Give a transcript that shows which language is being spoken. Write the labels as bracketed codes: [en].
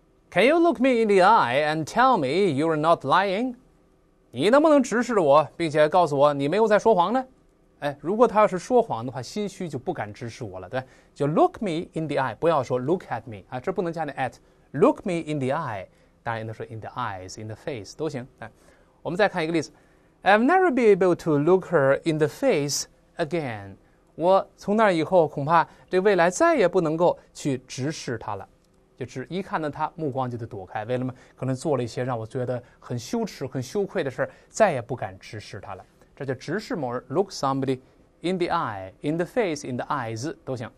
[en] Can you look me in the eye and tell me you're not lying? [zh] 你能不能直视我，并且告诉我你没有在说谎呢？哎，如果他要是说谎的话，心虚就不敢直视我了，对？就 [en] look me in the eye， [zh] 不要说 [en] look at me [zh] 啊，这不能加那 at。 [en] Look me in the eye， [zh] 当然都说 [en] in the eyes、in the face [zh] 都行。哎，我们再看一个例子。 [en] I've never been able to look her in the face again。 [zh] 我从那以后恐怕这未来再也不能够去直视她了。就是一看到他，目光就得躲开。为什么？可能做了一些让我觉得很羞耻、很羞愧的事，再也不敢直视他了。这叫直视某人 [en] ，look somebody in the eye, in the face, in the eyes [zh] 都行。